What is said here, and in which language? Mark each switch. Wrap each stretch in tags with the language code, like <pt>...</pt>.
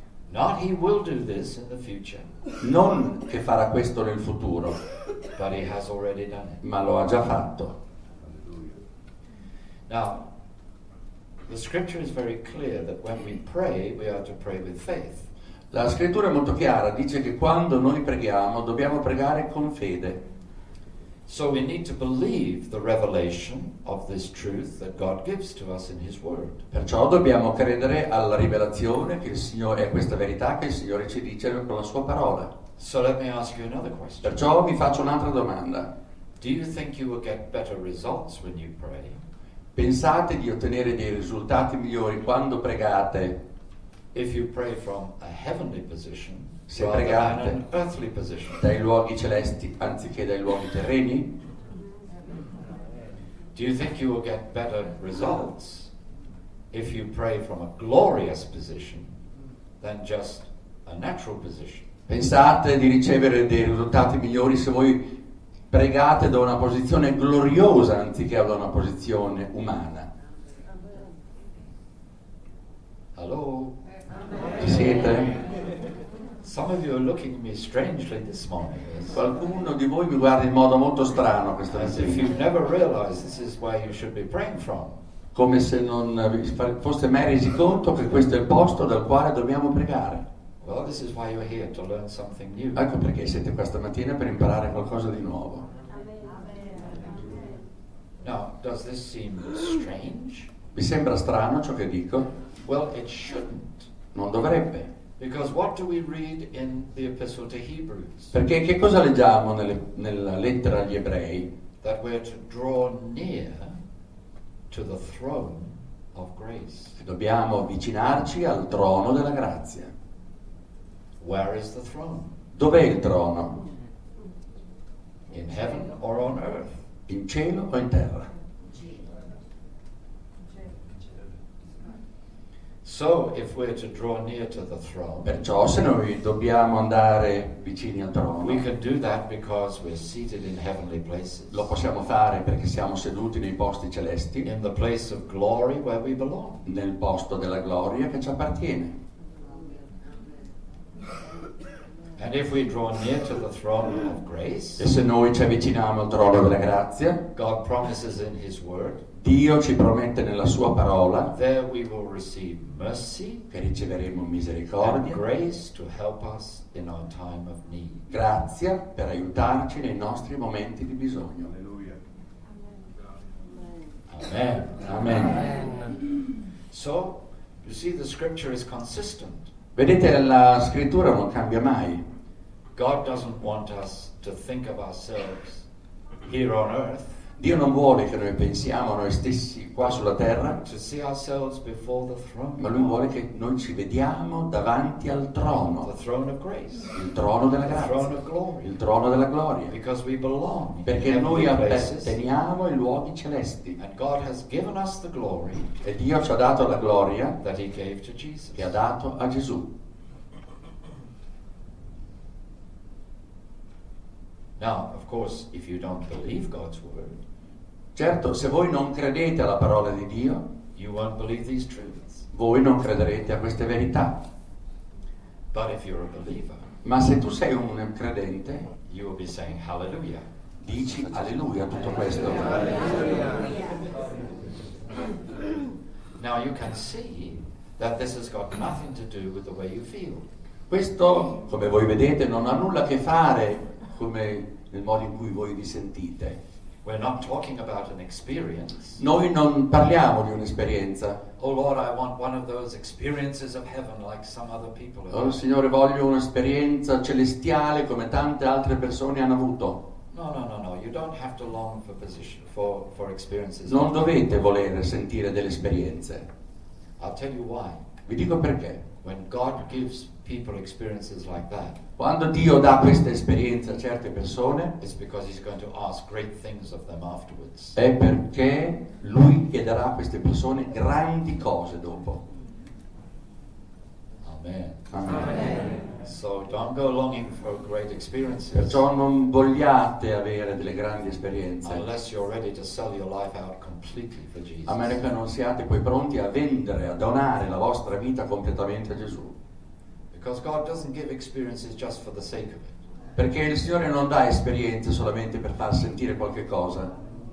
<en>Not he will do this in the future,</en> <it>non che farà questo nel futuro,</it> <en>but he has already done it.</en> <it>Ma lo ha già fatto.</it> <en>Now, the scripture is very clear that when we pray, we are to pray with faith.</en> <it>La scrittura è molto chiara, dice che quando noi preghiamo dobbiamo pregare con fede.</it> <en>So we need to believe the revelation of this truth that God gives to us in his word.</en> <it>Perciò dobbiamo credere alla rivelazione che il Signore è questa verità che il Signore ci dice con la sua parola.</it> <en>So let me ask you another question.</en> <it>Perciò vi faccio un'altra domanda.</it> <en>Do you think you will get better results when you pray?</en> <it>Pensate di ottenere dei risultati migliori quando pregate?</it> <en>If you pray from a heavenly position,</en> <it>se pregate</it> <en>rather than an earthly position,</en> <it>dai luoghi celesti anziché dai luoghi terreni,</it> <en>do you think you will get better results if you pray from a glorious position than just a natural position?</en> <it>Pensate di ricevere dei risultati migliori se voi pregate da una posizione gloriosa anziché da una posizione umana.</it> <en>Hello.</en> <it>Ci siete?</it> <en>Some of you are looking at me strangely this morning.</en> <it>Qualcuno di voi mi guarda in modo molto strano questa mattina.</it> <en>As if you never realized this is where you should be praying from.</en> <it>Come se non foste mai resi conto che questo è il posto dal quale dobbiamo pregare.</it> <en>Well, this is why you're here to learn something new.</en> <it>Ecco perché siete questa mattina, per imparare qualcosa di nuovo.</it> <en>Now, does this seem strange?</en> <it>Vi sembra strano ciò che dico?</it> <en>Well, it shouldn't.</en> <it>Non dovrebbe.</it> <en>Because what do we read in the Epistle to Hebrews?</en> <it>Perché che cosa leggiamo nella lettera agli Ebrei?</it> <en>That we're to draw near to the throne of grace.</en> <it>Che dobbiamo avvicinarci al trono della grazia.</it> <en>Where is the throne?</en> <it>Dov'è il trono?</it> <en>In heaven or on earth?</en> <it>In cielo o in terra?</it> <en>So if we're to draw near to the throne,</en> <it>perciò se noi dobbiamo andare vicini al trono,</it> <en>we can do that because we're seated in heavenly places.</en> <it>Lo possiamo fare perché siamo seduti nei posti celesti,</it> <en>in the place of glory where we belong.</en> <it>Nel posto della gloria che ci appartiene.</it> <en>And if we draw near to the throne of grace,</en> <it>e se noi ci avviciniamo al trono della grazia,</it> <en>God promises in his word,</en> <it>Dio ci promette nella sua parola,</it> <en>there we will receive mercy,</en> <it>che riceveremo misericordia,</it> <en>and grace to help us in our time of need.</en> <it>Grazia per aiutarci nei nostri momenti di bisogno. Alleluia. Amen. Amen. Amen.</it> <en>So, you see, the scripture is consistent.</en> <it>Vedete, la scrittura non cambia mai.</it> <en>God doesn't want us to think of ourselves here on earth.</en> <it>Dio non vuole che noi pensiamo noi stessi qua sulla terra,</it> <en>to see ourselves before the throne,</en> <it>ma lui vuole che noi ci vediamo davanti al trono,</it> <en>the throne of grace,</en> <it>il trono della grazia,</it> <en>the throne of glory,</en> <it>il trono della gloria,</it> <en>because we belong,</en> <it>perché noi apparteniamo ai luoghi celesti,</it> <en>and God has given us the glory,</en> <it>e Dio ci ha dato la gloria</it> <en>that he gave to Jesus,</en> <it>che ha dato a Gesù.</it> <en>Now, of course, if you don't believe God's word,</en> <it>certo, se voi non credete alla parola di Dio,</it> <en>you won't believe these truths.</en> <it>Voi non crederete a queste verità.</it> <en>But if you're a believer,</en> <it>ma se tu sei un credente,</it> <en>you will be saying hallelujah.</en> <it>Dici alleluia a tutto questo.</it> <en>Now you can see that this has got nothing to do with the way you feel.</en> <it>Questo, come voi vedete, non ha nulla a che fare come nel modo in cui voi vi sentite.</it> <en>We're not talking about an experience.</en> <it>Noi non parliamo di un'esperienza.</it> <en>Oh Lord, I want one of those experiences of heaven like some other people</en> <it>have. Oh Signore, voglio un'esperienza celestiale come tante altre persone hanno avuto.</it> <en>No, you don't have to long for position for experiences.</en> <it>Non dovete voler sentire delle esperienze.</it> <en>I'll tell you why.</en> <it>Vi dico perché.</it> <en>When God gives people experiences like that,</en> <it>quando Dio dà questa esperienza a certe persone,</it> <en>it's because he's going to ask great things of them afterwards.</en> <it>È perché lui chiederà a queste persone grandi cose dopo. Amen. Amen. Amen.</it> <en>So don't go longing for great experiences.</en> <it>Perciò non vogliate avere delle grandi esperienze.</it> <en>Unless you're ready to sell your life out completely for Jesus.</en> <it>A meno che non siate poi pronti a vendere, a donare la vostra vita completamente a Gesù.</it> <en>Because God doesn't give experiences just for the sake of it.</en> <it>Perché il Signore non dà esperienze solamente per far sentire qualche cosa.</it>